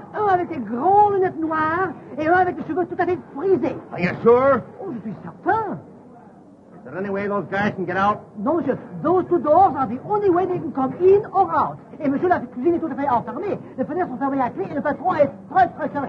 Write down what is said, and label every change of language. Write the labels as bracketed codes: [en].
[fr] Un avec des grands lunettes noires et un avec des cheveux tout à fait frisés. [en] Are you sure? [fr] Oh, je suis certain. [en] Is there any way those guys can get out? [fr] Non, monsieur. [en] Those two doors are the only way they can come in or out. [fr] Et monsieur, la cuisine est tout à fait enfermée. Les fenêtres sont fermées à clé et le patron est très, très serré.